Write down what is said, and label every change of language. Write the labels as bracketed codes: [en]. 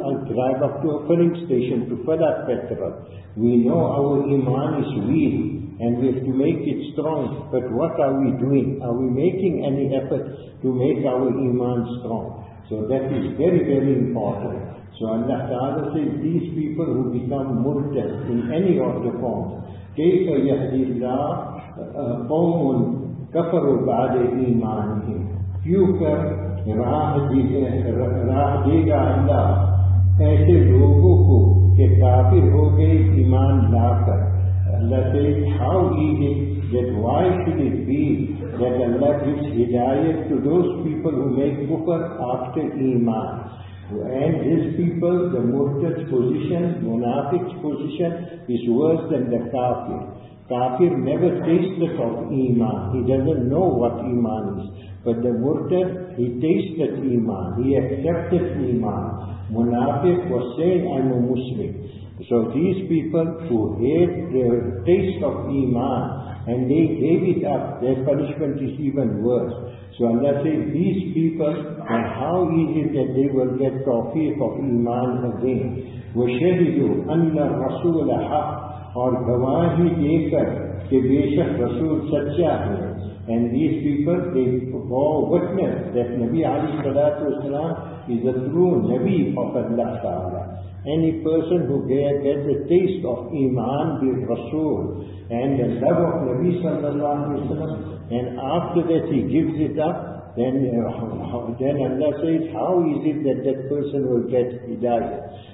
[en] I'll drive up to a filling station to fill up petrol. We know our iman is weak and we have to make it strong. But what are we doing? Are we making any effort to make our iman strong? So that is very, very important. So Allah Ta'ala says, these people who become murtad in any of the forms, [ar] كَيْفَ يَحْدِي اللَّهِ قَوْمٌ كَفَرُوا بَعْدِ إِيمَانِهِمْ فِيُكَرْ [ur] راہ دے گا اللہ ایسے لوگوں کو کہ کافر ہو گئے ایمان لا کر. اللہ سے [en] how is it that why should it be that Allah gives hidayat to those people who make kufr after iman, and these people, the murtad's position, munafiq's position is worse than the kafir. Kafir never tasted of iman, he doesn't know what iman is. But the murtad, he tasted iman, he accepted iman. Munafiq was saying, I'm a Muslim. So these people who hate the taste of iman and they gave it up, their punishment is even worse. So Allah says, these people, and how is it that they will get tawfiq of iman again? [ar] وَشَهِدُوا أَنَّ الرَّسُولَ حَقٌّ [ur] اور گواہی دے کر کہ بے شک رسول سچا ہے. [en] And these people, they bore witness that Nabi alayhi salatu wasalam is a true Nabi of Allah Ta'ala. Any person who gets a taste of iman bil Rasul and the love of Nabi sallallahu alayhi wasalam, and after that he gives it up, then Allah says, how is it that that person will get hidayah?